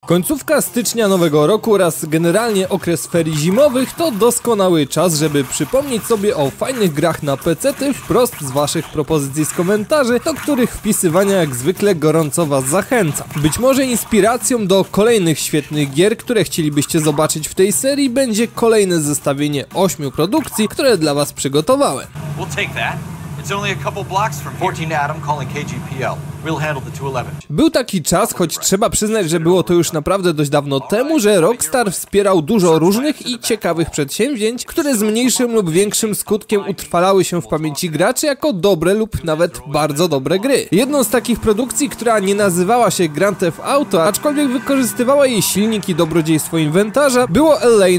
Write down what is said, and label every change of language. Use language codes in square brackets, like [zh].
[pl] Końcówka stycznia nowego roku oraz generalnie okres ferii zimowych to doskonały czas, żeby przypomnieć sobie o fajnych grach na pecety wprost z waszych propozycji z komentarzy, do których wpisywania jak zwykle gorąco was zachęcam. Być może inspiracją do kolejnych świetnych gier, które chcielibyście zobaczyć w tej serii, będzie kolejne zestawienie 8 produkcji, które dla was przygotowałem. [en] We'll take that. It's only a couple blocks from 14 Adam calling KGPL. [pl] Był taki czas, choć trzeba przyznać, że było to już naprawdę dość dawno temu, że Rockstar wspierał dużo różnych i ciekawych przedsięwzięć, które z mniejszym lub większym skutkiem utrwalały się w pamięci graczy jako dobre lub nawet bardzo dobre gry. Jedną z takich produkcji, która nie nazywała się Grand Theft Auto, aczkolwiek wykorzystywała jej silnik i dobrodziejstwo inwentarza, było L.A.